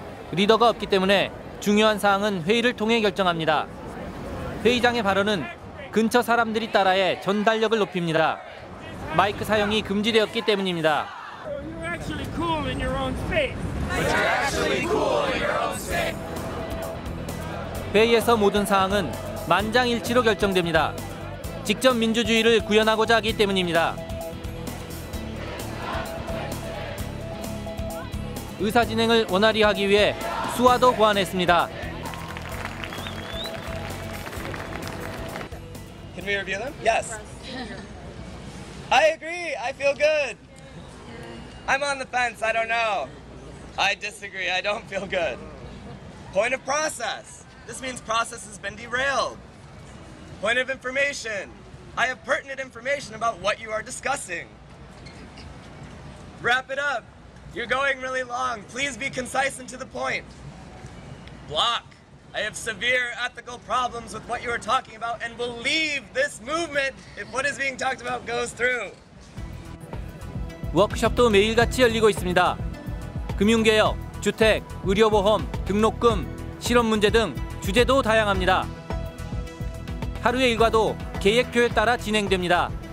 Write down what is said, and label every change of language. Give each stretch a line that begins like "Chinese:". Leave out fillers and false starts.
Korean: 리더가 없기 때문에 중요한 사항은 회의를 통해 결정합니다. 회의장의 발언은 근처 사람들이 따라해 전달력을 높입니다. 마이크 사용이 금지되었기 때문입니다.
English: cool in your own space. But you're actually cool in your own space.
Korean: 회의에서 모든 사항은 만장일치로 결정됩니다. 직접 민주주의를 구현하고자 하기 때문입니다. 의사 진행을 원활히 하기 위해 수화도 고안했습니다.
English: Can we review them? Yes. I agree. I feel good. I'm on the fence. I don't know. I disagree. I don't feel good. Point of process. This means process has been derailed. Point of information. I have pertinent information about what you are discussing. Wrap it up. You're going really long. Please be concise and to the point. Block. I have severe ethical problems with what you are talking about and will leave this movement if what is being talked about goes through.
Korean: 워크숍도 매일같이 열리고 있습니다. 금융개혁, 주택, 의료보험, 등록금, 실업 문제 등 주제도 다양합니다. 하루의 일과도 계획표에 따라 진행됩니다.